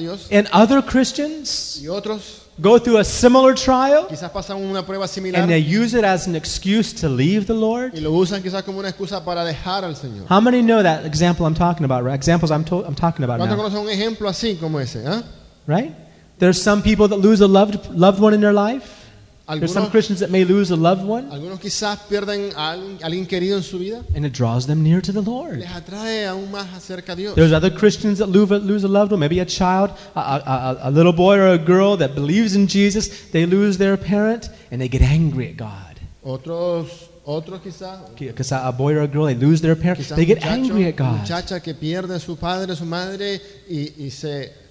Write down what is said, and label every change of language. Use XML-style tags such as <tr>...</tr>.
<en>And other Christians go through a similar trial and they use it as an excuse to leave the Lord? How many know that example I'm talking about? Right? Examples I'm talking about now. Right? There's some people that lose a loved one in their life. There's some Christians that may lose a loved one.</en> <es>Algunos quizás pierden a alguien querido en su vida.</es> <en>And it draws them near to the Lord.</en> <es>Les atrae aún más acerca a Dios.</es> <en>There's other Christians that lose a loved one. Maybe a child, a little boy or a girl that believes in Jesus. They lose their parent and they get angry at God.</en> <es>Otros quizás.</es> <en>A boy or a girl, they lose their parent. They get angry at God.</en> <es>Muchacha que pierde a su padre, su madre y se...</es>